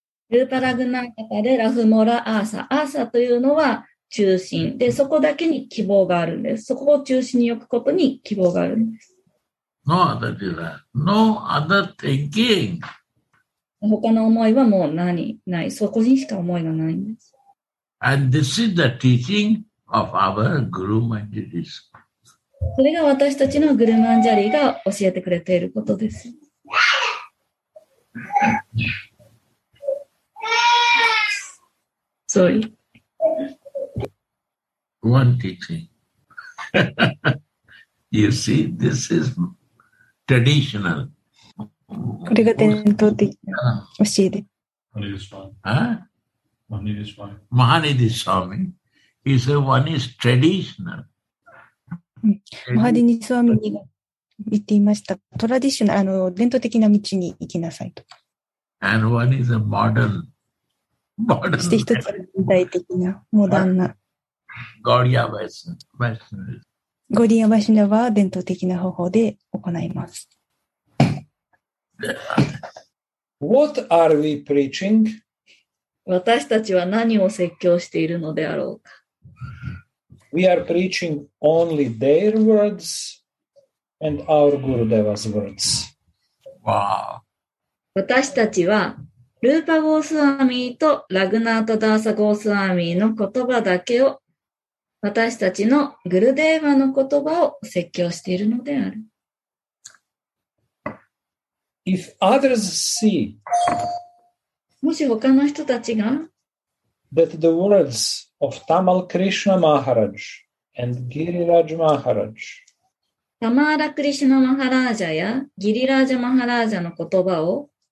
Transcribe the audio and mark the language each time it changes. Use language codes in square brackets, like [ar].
[ja] ルーパラグナータでラフモラアーサ。アーサというのは中心。で、そこだけに希望があるんです。そこを中心に置くことに希望があるんです。 [en] No other desire. No other thinking. [ja] 他の思いはもう何ない。そこにしか思いがないんです。 [en] And this is the teaching of our Guru Manjari. [ja] それが私たちのグルマンジャリーが教えてくれていることです。 [en] Sorry. One teaching. You see, this is traditional. [ja] これが伝統的な教えで。 [en] マハニディスワミ。He said one is traditional. [ja] マハニディスワミが言っていました。トラディショナル、伝統的な道に行きなさいと。 [en] And one is a modern. [ja] そして一つ具体的なモダンなゴリアバシナヴァ。ゴリアバシナヴァは伝統的な方法で行います。 [en] What are we preaching? [ja] 私たちは何を説教しているのであろうか。 [en] We are preaching only their words and our Gurudeva's words. Wow. [ja] 私たちはルーパゴースワミーとラグナートダーサゴースワミーの言葉だけを私たちのグルデーヴァの言葉を説教しているのである。 [en] If others see [ja] もし他の人たちが [en] that the words of Tamal Krishna Maharaj and Giriraj Maharaj [ja] タマーラ・クリシュナ・マハラージャやギリラージャ・マハラージャの言葉を